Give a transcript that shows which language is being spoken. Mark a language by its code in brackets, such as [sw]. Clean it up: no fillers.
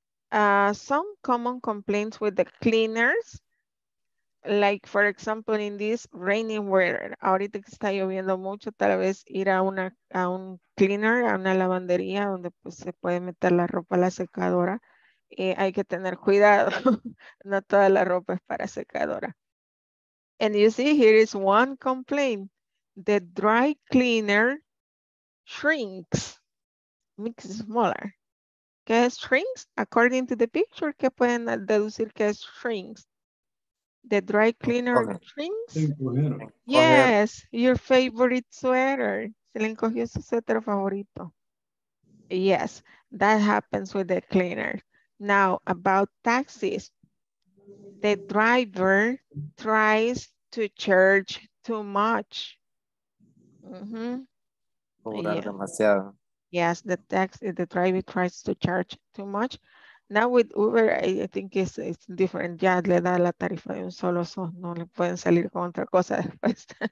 [en] Some common complaints with the cleaners, like for example in this rainy weather. [es] Ahorita que está lloviendo mucho, tal vez ir a un cleaner, a una lavandería donde pues se puede meter la ropa a la secadora. Hay que tener cuidado. No toda la ropa es para secadora. [en] And you see, here is one complaint. The dry cleaner shrinks, makes it smaller. [es] ¿Qué es shrinks? [en] According to the picture, [es] ¿qué pueden deducir que es shrinks? [en] The dry cleaner shrinks. Yes, your favorite sweater. [es] Se le encogió su suéter favorito. [en] Yes, that happens with the cleaner. Now, about taxis. The driver tries to charge too much. Mm-hmm. [es] Cobrar yeah. Demasiado. [en] Yes, the driver tries to charge too much. Now with Uber, I think it's different. [es] Ya le da la tarifa de un solo son. No le pueden salir con otra cosa después.